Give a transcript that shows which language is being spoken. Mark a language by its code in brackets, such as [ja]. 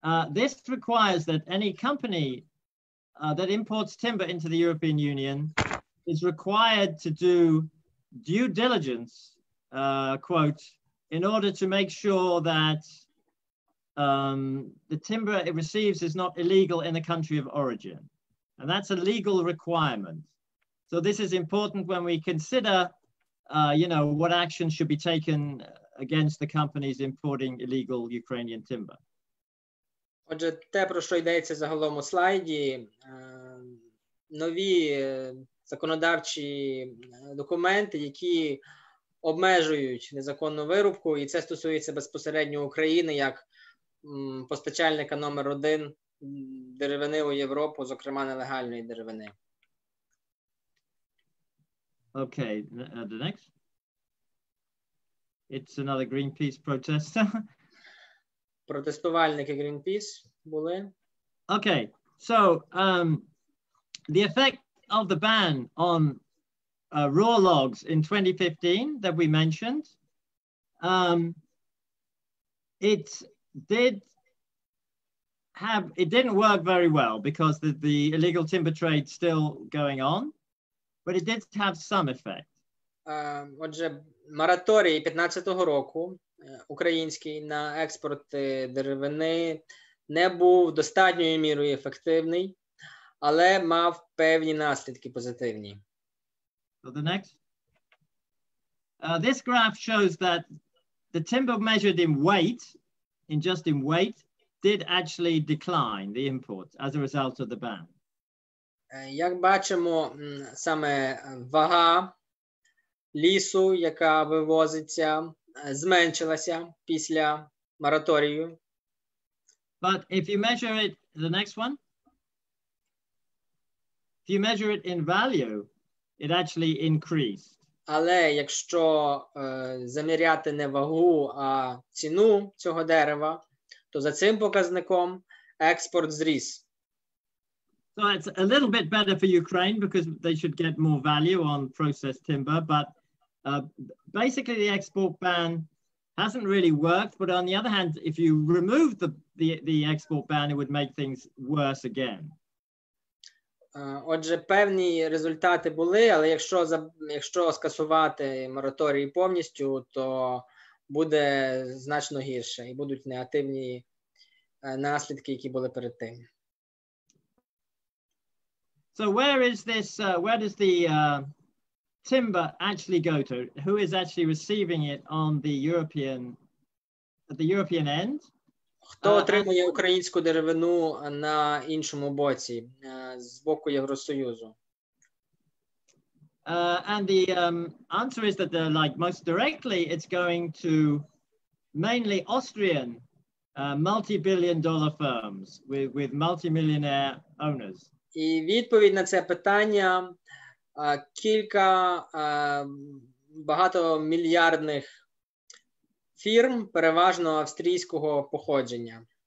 [en] This requires that any company that imports timber into the European Union is required to do due diligence, quote, in order to make sure that the timber it receives is not illegal in the country of origin. And that's a legal requirement. So this is important when we consider, you know, what actions should be taken against the companies importing illegal Ukrainian timber. [uk] Отже, те, про що йдеться загалом у слайді, нові законодавчі документи, які обмежують незаконну вирубку, і це стосується безпосередньо України як постачальника номер один деревини у Європу, зокрема нелегальної деревини. [en] Okay, the next. It's another Greenpeace protester. [uk] Протестувальники Greenpeace були. [en] Okay, so the effect of the ban on raw logs in 2015 that we mentioned, it didn't work very well because the illegal timber trade still going on, but it did have some effect. [uk] Отже, мораторій 15-го року український на експорт деревини не був достатньою мірою ефективний, але мав певні наслідки позитивні. [en] So the next. This graph shows that the timber measured in weight, in just in weight, did actually decline the import as a result of the ban. [uk] Як бачимо, саме вага лісу, яка вивозиться, зменшилася після мораторію. [en] But if you measure it, the next one. If you measure it in value, it actually increased. [uk] Але якщо заміряти не вагу, а ціну цього дерева, то за цим показником експорт зріс. [en] So it's a little bit better for Ukraine because they should get more value on processed timber, but basically the export ban hasn't really worked, but on the other hand, if you remove the export ban, it would make things worse again. [uk] Отже, певні результати були, але якщо скасувати мораторій повністю, то буде значно гірше і будуть негативні наслідки, які були перед тим. [en] So where is this, where does the timber actually go to? Who is actually receiving it on the European, at the European end? [uk] Хто отримує українську деревину на іншому боці, з боку Євросоюзу? [en] And the answer is that the, like most directly it's going to mainly Austrian multi-billion dollar firms with multi-millionaire owners. [uk] І відповідь на це питання кілька багатомільярдних фірм переважно австрійського походження.